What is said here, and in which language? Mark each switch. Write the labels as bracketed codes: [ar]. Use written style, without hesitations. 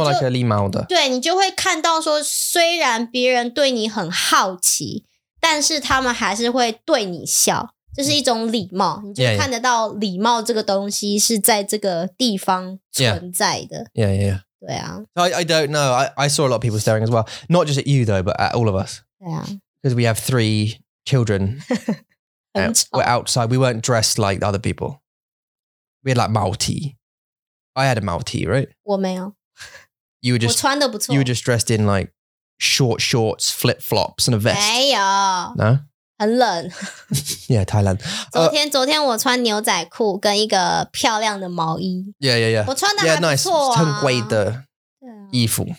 [en] more like a 礼貌的 [zh] 对你就会看到说虽然别人对你很好奇但是他们还是会对你笑这是一种礼貌你就看得到礼貌这个东西是在这个地方存在的 [en] yeah yeah, yeah, yeah. Yeah. I don't know. I saw a lot of people staring as well. Not just at you though, but at all of us. Yeah. Because we have three children. We're outside. We weren't dressed like other people. We had like 毛T. I had a 毛T, right? [zh] 我没有. [en] You were just, [zh] 我穿得不错. [en] You were just dressed in like short shorts, flip flops and a vest. [zh] 没有. [en] No? [zh] 很冷. [en] Yeah, Thailand. [zh] 昨天我穿牛仔裤跟一个漂亮的毛衣。 [en] Yeah, yeah, yeah. [zh] 我穿得还不错啊。很贵的衣服。